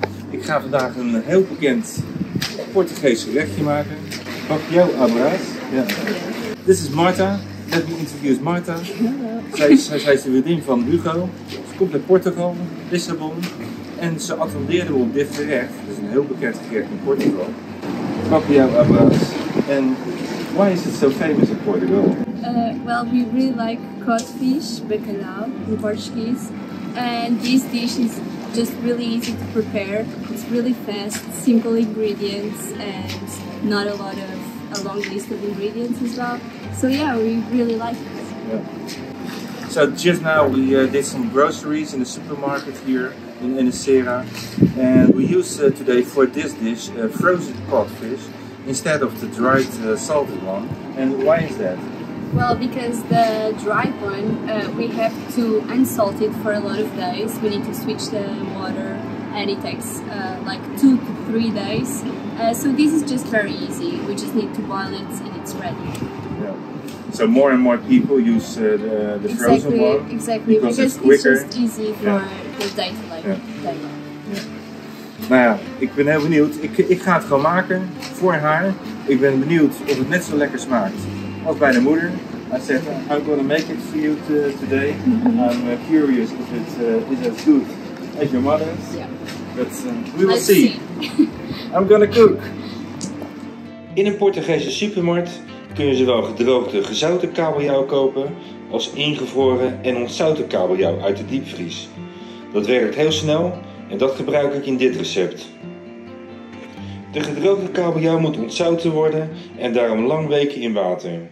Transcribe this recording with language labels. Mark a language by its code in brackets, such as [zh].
[nl] Ik ga vandaag een heel bekend Portugees gerechtje maken. [en] Bacalhau al Brás. Yeah. This is Marta. Let me introduce Marta. [nl] Zij is de vriendin van Hugo. Ze komt uit Portugal, Lissabon. En ze attendeerde op dit gerecht. Dat is een heel bekend gerecht in Portugal. Bacalhau al Brás. [en] En why is it so famous in Portugal? Well, we really like codfish, bacalhau, in Portuguese. And this dish is just really easy to prepare. It's really fast, simple ingredients, and not a long list of ingredients as well. So yeah, we really like it. Yeah. So just now we did some groceries in the supermarket here in Enesera. And we use today for this dish frozen codfish instead of the dried salted one. And why is that? Well, because the dry one, we have to unsalt it for a lot of days. We need to switch the water and it takes like 2 to 3 days. So this is just very easy. We just need to boil it and it's ready. Yeah. So more and more people use the exactly, frozen one. Exactly, because it's quicker. It's just easy for the day to like [nl] Nou ja, ik ben heel benieuwd. Ik ga het gewoon maken voor haar. Ik ben benieuwd of het net zo lekker smaakt als bij de moeder. [en] I said, I'm going to make it for you today. Mm-hmm. I'm curious if it is as good as your mother's. Yeah. But we will see. I'm going to cook. [nl] In een Portugese supermarkt kun je zowel gedroogde gezouten kabeljauw kopen als ingevroren en ontzouten kabeljauw uit de diepvries. Dat werkt heel snel. En dat gebruik ik in dit recept. De gedroogde kabeljauw moet ontzouten worden en daarom lang weken in water.